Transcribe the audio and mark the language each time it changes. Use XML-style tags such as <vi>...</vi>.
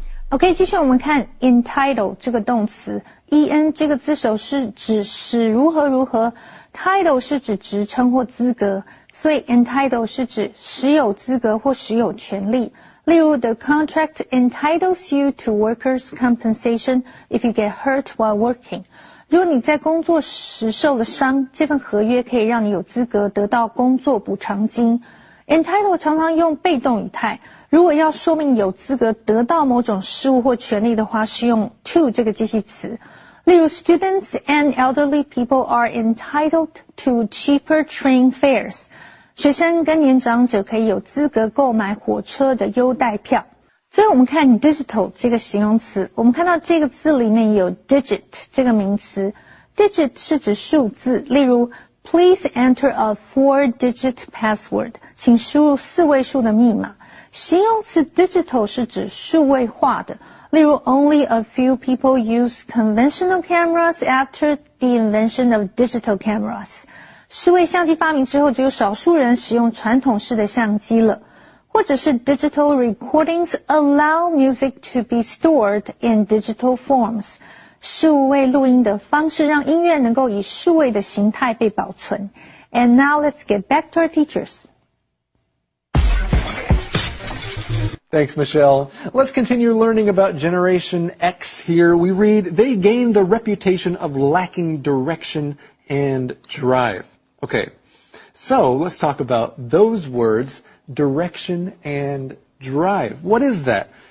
<zh>OK, 继续我们看 entitled 这个动词 ,en 这个字首是指使如何如何 ,title 是指职称或资格，所以 entitled 是指使有资格或使有权利。</zh> <en>例如 the contract entitles you to workers' compensation if you get hurt while working.</en> <zh>如果你在工作时受了伤，这份合约可以让你有资格得到工作补偿金。 Entitled 常常用被动语态，如果要说明有资格得到某种事物或权利的话，是用 to 这个介系词。</zh> <en>例如 students and elderly people are entitled to cheaper train fares.</en> <zh>学生跟年长者可以有资格购买火车的优待票。最后我们看 digital 这个形容词，我们看到这个字里面有 digit 这个名词。 digit 是指数字，例如</zh> <en>please enter a four-digit password,</en> <zh>请输入四位数的密码。形容词 digital 是指数位化的，例如</zh> <en>only a few people use conventional cameras after the invention of digital cameras.</en> <zh>数位相机发明之后，只有少数人使用传统式的相机了。</zh> <en>或者是 digital recordings allow music to be stored in digital forms.</en> <zh>数位录音的方式让音乐能够以数位的形态被保存。</zh> <en>And now let's get back to our teachers. Thanks, Michelle. Let's continue learning about Generation X here. We read, they gained the reputation of lacking direction and drive. Okay, so let's talk about those words, direction and drive. What is that?</en>